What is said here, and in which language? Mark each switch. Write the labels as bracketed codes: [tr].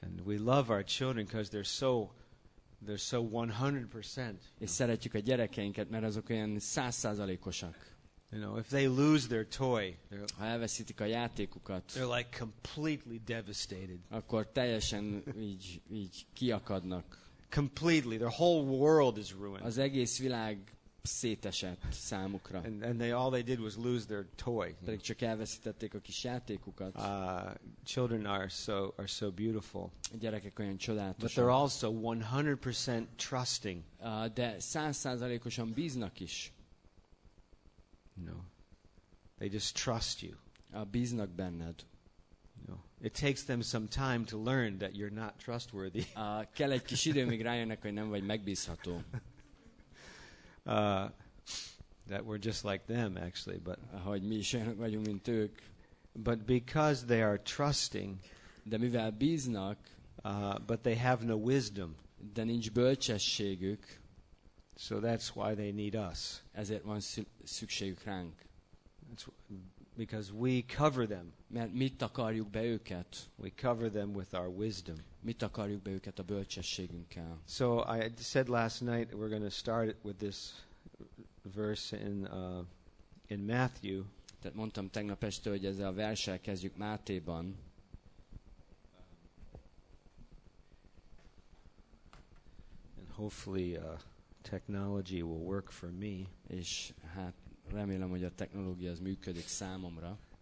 [en] And we love our children because they're so 100%. [hu] És szeretjük a gyerekeinket, mert azok olyan 100%-osak. [en] If they lose their toy, [hu] ha elveszítik a játékukat, [en] they're like completely devastated. [hu] Akkor teljesen így kiakadnak. [en] Completely, their whole world is ruined. [hu] Az egész világ szétesett számukra. [en] And all they did was lose their toy. [hu] Pedig csak elveszítették a kis játékukat. [en] Children are so beautiful. [hu] A gyerekek olyan csodálatosak. [en] But they're also 100% trusting. [hu] De 100%-osan bíznak is. [en] No. They just trust you. [hu] Bíznak benned. [en] It takes them some time to learn that you're not trustworthy. [hu] Kell egy kis idő, míg rájönnek, hogy nem vagy megbízható. [en] That we're just like them, actually, but. [hu] Hogy mi is olyanok vagyunk, mint ők. [en] But because they are trusting. [hu] De mivel bíznak. [en] But they have no wisdom. [hu] De nincs bölcsességük. [en] So that's why they need us. [hu] Ezért van szükségük ránk. [en] Because we cover them. [hu] Mert mi takarjuk be őket. [en] We cover them with our wisdom. [hu] Mi takarjuk be őket a bölcsességünkkel. [en] So I said last night we're going to start with this verse in Matthew. [hu] Tehát mondtam tegnap este, hogy ezzel a verssel kezdjük Mátéban. [en] And hopefully technology will work for me. [hu] És hát remélem, hogy a technológia az működik számomra.